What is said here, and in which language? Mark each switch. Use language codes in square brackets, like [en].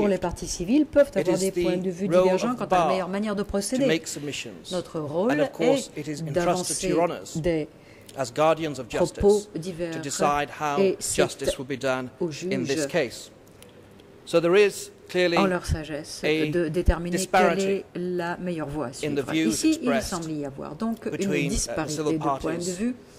[fr] Pour les civils peuvent avoir des points de vue divergents quant à la meilleure manière de procéder. [en] To make submissions. [fr] Notre rôle [en] and of course, it is entrusted to Your Honours as guardians of justice to decide how justice will be done in this case. So there is clearly [fr] en leur sagesse, de déterminer quelle est la meilleure voie à suivre. Ici, il semble y avoir donc une disparité de points de vue